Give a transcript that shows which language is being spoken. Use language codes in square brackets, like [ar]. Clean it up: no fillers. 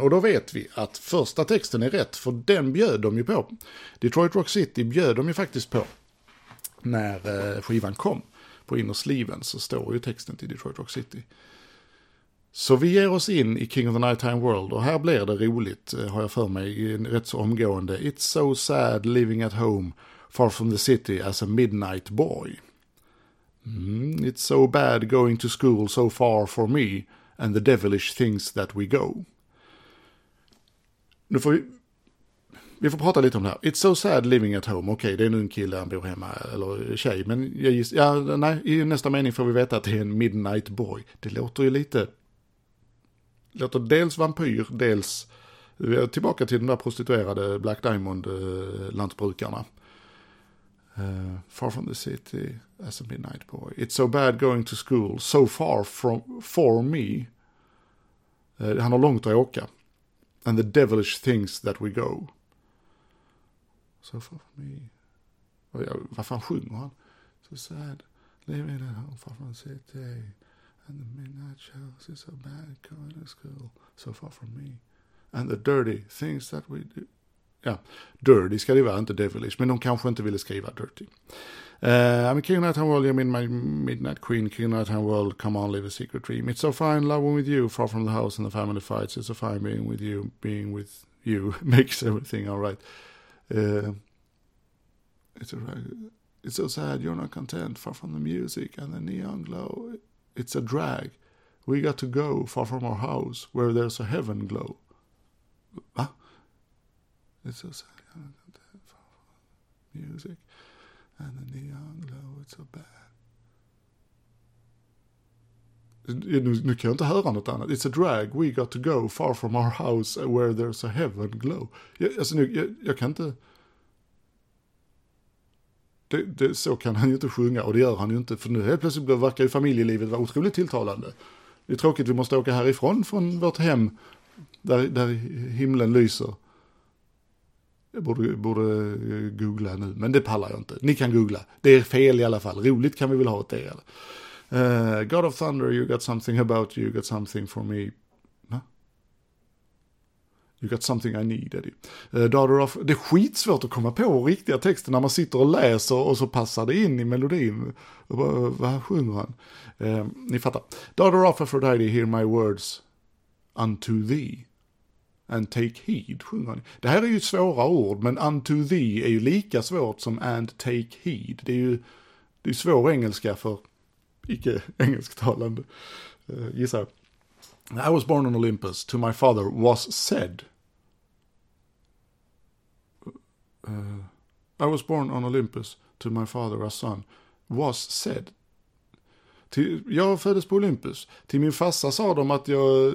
[sv] Och då vet vi att första texten är rätt. För den bjöd de ju på. Detroit Rock City bjöd de ju faktiskt på. När skivan kom på innersliven så står ju texten till Detroit Rock City. Så vi ger oss in i King of the Nighttime World och här blir det roligt, har jag för mig, rätt så omgående. [en] It's so sad living at home, far from the city as a midnight boy. It's so bad going to school so far for me and the devilish things that we go. [sv] Nu får vi får prata lite om det här. [en] It's so sad living at home. [sv] Okej, det är nu en kille han bor hemma, eller tjej. Men jag gissar, ja, nej, i nästa mening får vi veta att det är en midnight boy. Det låter ju lite... Låter dels vampyr, dels tillbaka till den där prostituerade Black Diamond-lantbrukarna. [en] Far from the city as a midnight boy. It's so bad going to school so far from for me. [sv] Han har långt att åka. And the devilish things that we go. So far from me. Oh, ja, vad fan sjunger han? [en] So sad living at home far from the city. And the midnight shows is so bad coming to school so far from me. And the dirty things that we do. [sv] Ja, dirty ska det vara, inte devilish. Men de kanske inte ville skriva dirty. [en] I'm a king of nighttime world, you're my midnight queen. King of nighttime world, come on, live a secret dream. It's so fine loving with you, far from the house and the family fights. It's so fine being with you makes everything all right. It's so sad, you're not content, far from the music and the neon glow. It's a drag. We got to go far from our house where there's a heaven glow. Va? It's so sad. Music. And the neon glow. It's so bad. [sv] Nu kan jag inte höra något annat. [en] It's a drag. We got to go far from our house where there's a heaven glow. [sv] Jag kan inte... Det, så kan han ju inte sjunga och det gör han ju inte. För nu helt plötsligt verkar ju familjelivet vara otroligt tilltalande. Det är tråkigt, vi måste åka härifrån från vårt hem där himlen lyser. Jag borde googla nu, men det pallar jag inte. Ni kan googla, det är fel i alla fall. Roligt kan vi väl ha åt er. [en] God of Thunder, you got something about you, you got something for me. You got something I need, Eddie. Daughter of, [sv] det är skitsvårt att komma på riktiga texter när man sitter och läser och så passar det in i melodin. Vad sjunger han? Ni fattar. [en] Daughter of Aphrodite, hear my words unto thee. And take heed, [sv] sjunger han. Det här är ju svåra ord, men [en] unto thee [sv] är ju lika svårt som [en] and take heed. [sv] Det är ju svår engelska för icke-engelsktalande, gissar jag. [en] I was born on Olympus, to my father was said. I was born on Olympus, to my father a son, was said. [sv] Jag föddes på Olympus. Till min farsa sa de att jag...